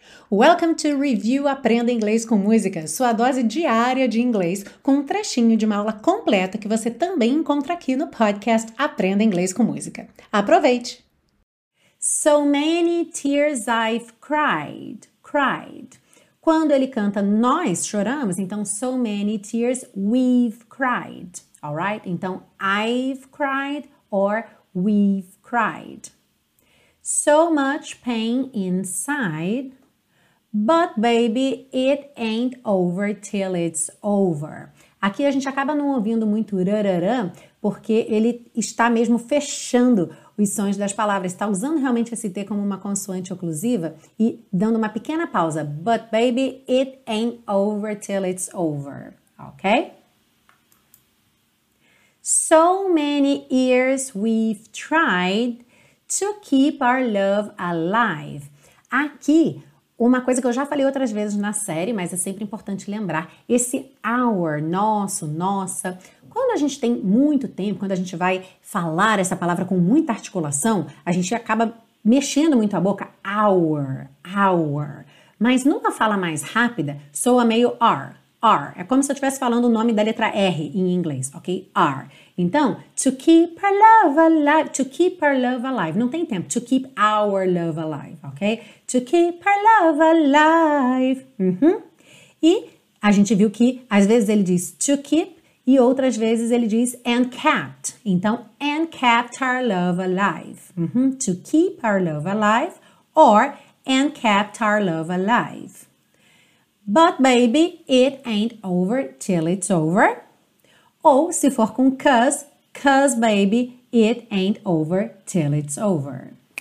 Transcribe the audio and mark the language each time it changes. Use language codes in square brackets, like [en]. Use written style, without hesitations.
[en] Welcome to [pt] Review Aprenda Inglês com Música, sua dose diária de inglês, com um trechinho de uma aula completa que você também encontra aqui no podcast Aprenda Inglês com Música. Aproveite! [en] So many tears I've cried, cried. [pt] Quando ele canta nós choramos, então [en] so many tears we've cried, alright? Então I've cried or we've cried. So much pain inside, but baby, it ain't over till it's over. [pt] Aqui a gente acaba não ouvindo muito rararã, porque ele está mesmo fechando os sons das palavras. Está usando realmente esse T como uma consoante oclusiva e dando uma pequena pausa. [en] But baby, it ain't over till it's over. Ok? So many years we've tried to keep our love alive. [pt] Aqui, uma coisa que eu já falei outras vezes na série, mas é sempre importante lembrar, esse our, nosso, nossa, quando a gente tem muito tempo, quando a gente vai falar essa palavra com muita articulação, a gente acaba mexendo muito a boca, our, our, mas numa fala mais rápida, soa meio r, r, é como se eu estivesse falando o nome da letra R em inglês, ok, r. [en] Então, to keep our love alive, to keep our love alive. [pt] Não tem tempo, [en] to keep our love alive, ok? To keep our love alive. Uhum. [pt] E a gente viu que às vezes ele diz to keep e outras vezes ele diz and kept. [en] Então, and kept our love alive. Uhum. To keep our love alive or and kept our love alive. But baby, it ain't over till it's over. [pt] Ou, se for com [en] cuz, baby, it ain't over till it's over.